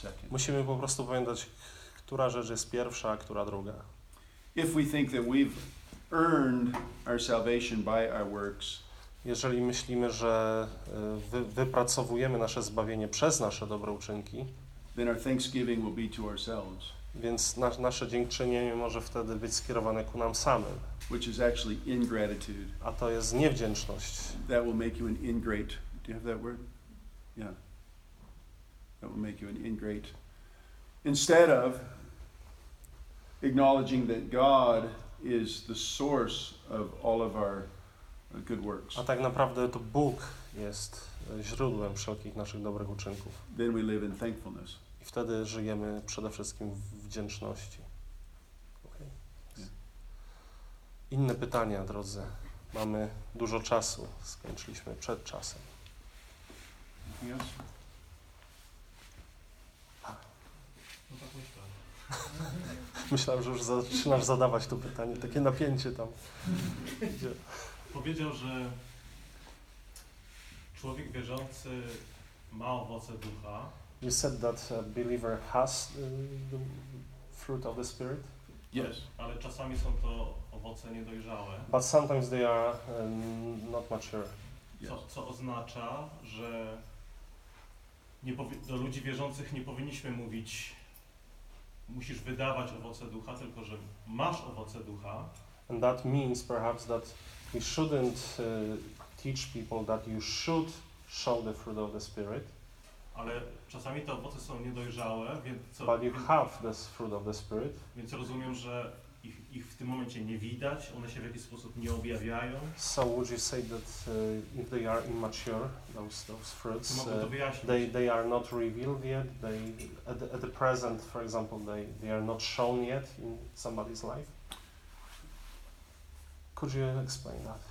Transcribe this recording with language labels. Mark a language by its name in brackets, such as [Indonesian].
[Polish] Musimy po prostu pamiętać, która rzecz jest pierwsza, a która druga. [English] If we think that we've earned our salvation by our works, [Polish] jeżeli myślimy, że wypracowujemy nasze zbawienie przez nasze dobre uczynki, [English] then our thanksgiving will be to ourselves. [Polish] Więc nasze dziękczynienie może wtedy być skierowane ku nam samym. [English] Which is actually ingratitude. [Polish] A to jest niewdzięczność. [English] That will make you an ingrate. Do you have that word? Yeah. That will make you an ingrate. Instead of acknowledging that God is the source of all of our good works. [Polish] A tak naprawdę to Bóg jest źródłem wszelkich naszych dobrych uczynków. [English] Then we live in thankfulness. [Polish] I wtedy żyjemy przede wszystkim w wdzięczności. Okay. Inne pytania, drodzy. Mamy dużo czasu. Skończyliśmy przed czasem. [English] Yes. [Polish] Myślałem, że już zaczynasz zadawać to pytanie. Takie napięcie tam. Powiedział, że człowiek wierzący ma owoce ducha. [English] You said that a believer has the fruit of the Spirit. Yes. [Polish] Ale czasami są to owoce niedojrzałe. [English] But sometimes they are not mature. Yes. [Polish] Co oznacza, że do ludzi wierzących nie powinniśmy mówić musisz wydawać owoce ducha, tylko że masz owoce ducha. [English] And that means perhaps that we shouldn't teach people that you should show the fruit of the Spirit. [Polish] Ale czasami te owoce są niedojrzałe, więc co? [English] But you have this fruit of the Spirit. [Polish] Więc rozumiem, że ich w tym momencie nie widać, one się w jakiś sposób nie objawiają. [English] So would you say that if they are immature, those fruits, they are not revealed yet, they at the present, for example, they are not shown yet in somebody's life? Could you explain that?